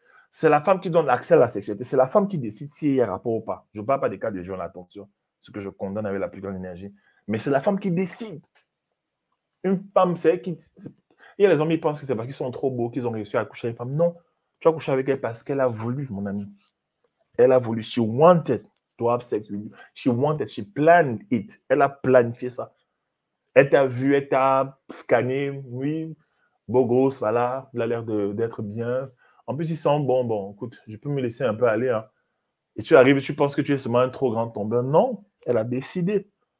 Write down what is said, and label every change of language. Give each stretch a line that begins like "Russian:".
French: C'est la femme qui donne accès à la sexualité. C'est la femme qui décide s'il y a rapport ou pas. Je ne parle pas des cas de viol, attention, ce que je condamne avec la plus grande énergie. Mais c'est la femme qui décide. Une femme, c'est elle qui... Il y a les hommes, ils pensent que c'est parce qu'ils sont trop beaux qu'ils ont réussi à accoucher avec les femmes. Non, tu as couché avec elle parce qu'elle a voulu, mon ami. Elle a voulu.
English: She wanted to have sex with you. She wanted, she planned it.
French: Elle a planifié ça. Elle t'a vu, elle t'a scanné. Oui, beau gosse, voilà. Il a l'air d'être bien. En plus, ils sont bon, écoute, je peux me laisser un peu aller. Hein. Et tu arrives, tu penses que tu es seulement un trop grand tombeur. Non, elle a décidé.